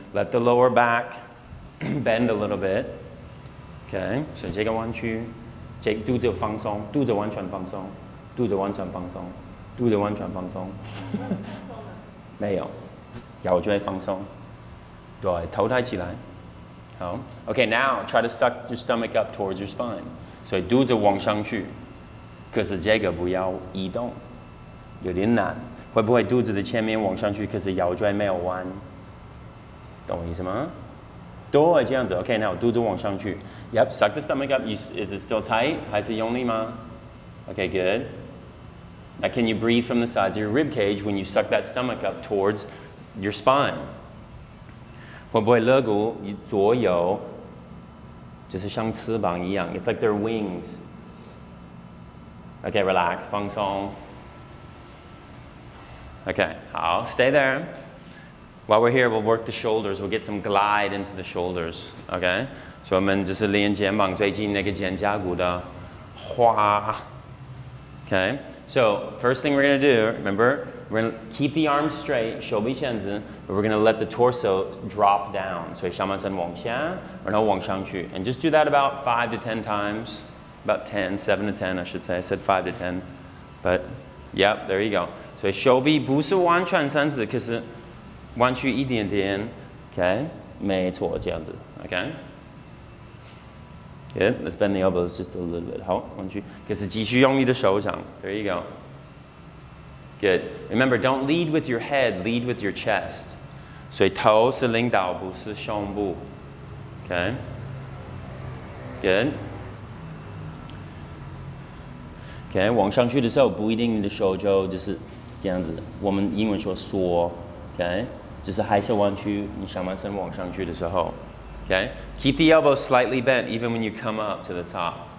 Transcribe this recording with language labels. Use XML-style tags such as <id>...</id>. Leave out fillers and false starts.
<en>Let the lower back bend a little bit.</en> <zh>Okay. 所以这个弯曲.肚子放松.肚子完全放松.肚子完全放松.肚子完全放松.没有.腰椎放松.对.头抬起来.好.</zh> <en>Okay, now try to suck your stomach up towards your spine.</en> <zh>所以肚子往上去. 可是这个不要移动，有点难。会不会肚子的前面往上去，可是腰椎没有弯？懂我意思吗？对，这样子。OK， 那我肚子往上去。</zh> <en>Yep, suck the stomach up. Is it still tight?</en> <zh>还是用力吗？</zh> <en>OK, good. Now, can you breathe from the sides of your rib cage when you suck that stomach up towards your spine?</en> <zh>会不会肋骨左右就是像翅膀一样？</zh> <en>It's like their wings. OK, relax,</en> <zh>放松。</zh> <en>OK, 好 stay there. While we're here, we'll work the shoulders. We'll get some glide into the shoulders. Okay?</en> <zh>So, 我们就是练肩膀最近那个肩胛骨的花。</zh> <en>Okay? So, first thing we're going to do, remember, we're going to keep the arms straight,</en> <zh>手臂前子,</zh> <en>but we're going to let the torso drop down.</en> <zh>所以上半身往下, 然后往上去。</zh> <en>And just do that about 5 to 10 times. About 10, 7 to 10, I should say. I said 5 to 10. But, yep, there you go.</en> <zh>所以手臂不是完全伸直,可是弯曲一点点 ，OK， 没错，这样子 ，OK。</zh> <en>Good， let's bend the elbows just a little bit。</en> <zh>好，弯曲，可是继续用你的手掌。</zh> <en>There you go。 Good， remember， don't lead with your head， lead with your chest。</en> <zh>所以头是领导，不是胸部。</zh> <en>OK。 Good。</en> <zh>OK， 往上去的时候，不一定你的手就是这样子。我们英文说缩 ，OK。就是还是弯曲，你上半身往上去的时候 ，</zh> <en>Okay, keep the elbow slightly bent even when you come up to the top.</en>